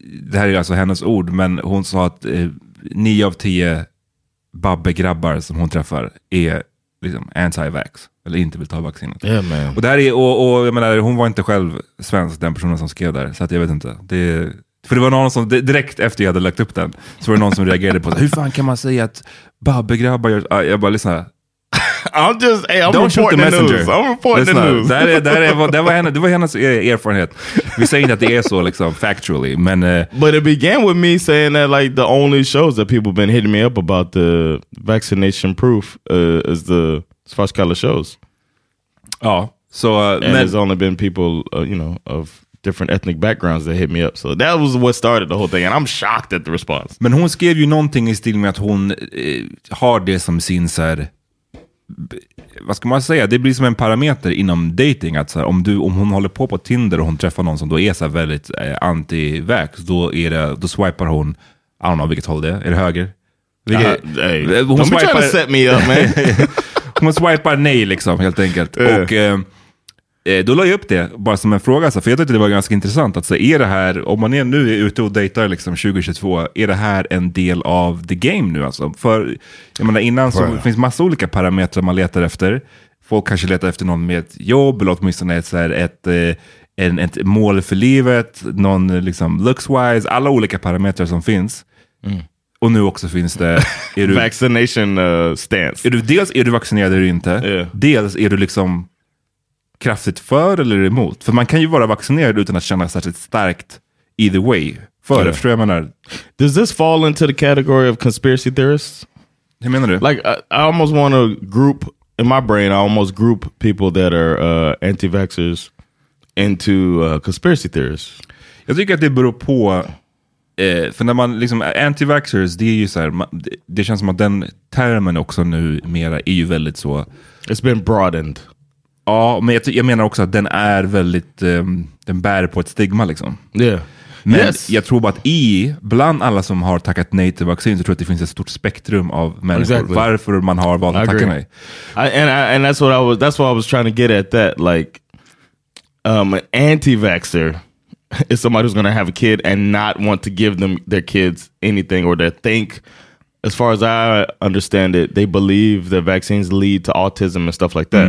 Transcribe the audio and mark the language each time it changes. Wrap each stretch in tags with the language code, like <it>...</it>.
<sv>det här är alltså hennes ord, men hon sa att 9 av 10 babbegrabbar som hon träffar är liksom anti-vax eller inte vill ta vaccinet.</sv> <en>Yeah, man.</en> <sv>Och det här är och jag menar, hon var inte själv svensk, den personen som skrev där, så att jag vet inte. Det var någon som direkt efter jag hade lagt upp den, så var det någon som reagerade på det. Hur fan kan man säga att babbegrabbar gör, jag bara lyssnar.</sv> <en>I'm just, hey, I'm don't shoot the messenger. News. I'm reporting the news.</en> <sv>Det var hennes erfarenhet. Vi säger inte att det är så liksom factually, men</sv> <en>but it began with me saying that like the only shows that people been hitting me up about the vaccination proof is the Swash Color shows. Ja, oh, so and there's only been people you know of different ethnic backgrounds that hit me up. So that was what started the whole thing. And I'm shocked at the response.</en> <sv>Men hon skrev ju någonting i stil med att hon har det som sin så här, vad ska man säga? Det blir som en parameter inom dating. Att så här, om hon håller på Tinder och hon träffar någon som då är så här väldigt anti-vax, då swipar hon,</sv> <en>I don't know</en> <sv>vilket håll det är. Är det höger? Hon</sv> <en>don't swipar, be trying to set me up, man.</en> <sv>Hon swipar nej liksom, helt enkelt. Och då la jag upp det bara som en fråga, för jag tyckte det var ganska intressant att säga, är det här, om man är nu ute och dejtar liksom 2022, är det här en del av</sv> <en>the game</en> <sv>nu alltså? För jag menar, innan så finns massa olika parametrar man letar efter. Folk kanske letar efter någon med ett jobb eller åtminstone ett mål för livet, någon liksom</sv> <en>looks wise,</en> <sv>alla olika parametrar som finns. Mm. Och nu också finns det</sv> <en>vaccination stance.</en> <sv>Är du vaccinerad eller inte?</sv> <en>Yeah.</en> <sv>Dels är du liksom kraftigt för eller emot? För man kan ju vara vaccinerad utan att känna särskilt starkt</sv> <en>either way.</en> <sv>För det, förstår jag menar.</sv> <en>Does this fall into the category of conspiracy theorists?</en> <sv>Hur menar du?</sv> <en>Like, I almost want to group, in my brain, I almost group people that are anti-vaxxers into conspiracy theorists.</en> <sv>Jag tycker att det beror på, för när man liksom, anti-vaxxers, det är ju så här, det känns som att den termen också nu mera är ju väldigt så.</sv> <en>It's been broadened.</en> <sv>Ja, men jag menar också att den är väldigt, den bär på ett stigma liksom.</sv> <en>Yeah.</en> <sv>Men yes. Jag tror att bland alla som har tackat nej till vaccin, så tror jag att det finns ett stort spektrum av människor.</sv> <en>Exactly.</en> <sv>Varför man har valt att tacka nej.</sv> <en>And that's what I was trying to get at, that like an anti-vaxxer is somebody who's gonna have a kid and not want to give them their kids anything, or they think, as far as I understand it, they believe that vaccines lead to autism and stuff like that.</en>